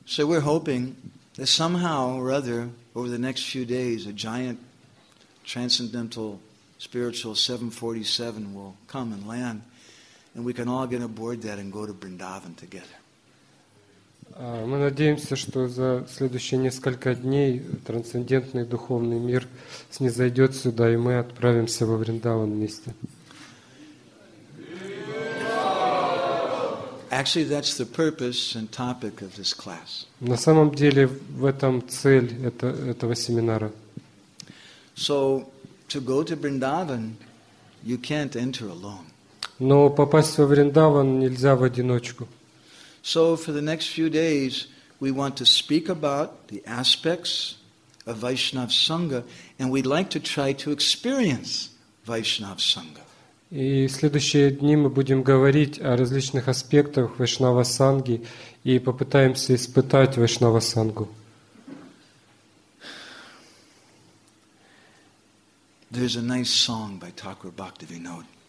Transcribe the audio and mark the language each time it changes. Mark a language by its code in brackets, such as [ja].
[en] So we're hoping that somehow or other, over the next few days, a giant transcendental spiritual 747 will come and land, and we can all get aboard that and go to Vrindavan together. [ru] Мы надеемся, что за следующие несколько дней трансцендентный духовный мир снизойдет сюда, и мы отправимся во Вриндаван вместе. [en] Actually, that's the purpose and topic of this class. [ru] На самом деле, в этом цель этого семинара. [en] So, to go to Vrindavan, you can't enter alone. [ru] Но попасть во Вриндаван нельзя в одиночку. [en] So, for the next few days, we want to speak about the aspects of Vaishnav Sangha, and we'd like to try to experience Vaishnav Sangha. [ru] И в следующие дни мы будем говорить о различных аспектах Вайшнава Санги и попытаемся испытать Вайшнава Сангу. [en] There's a nice song by Thakur Bhaktivinod.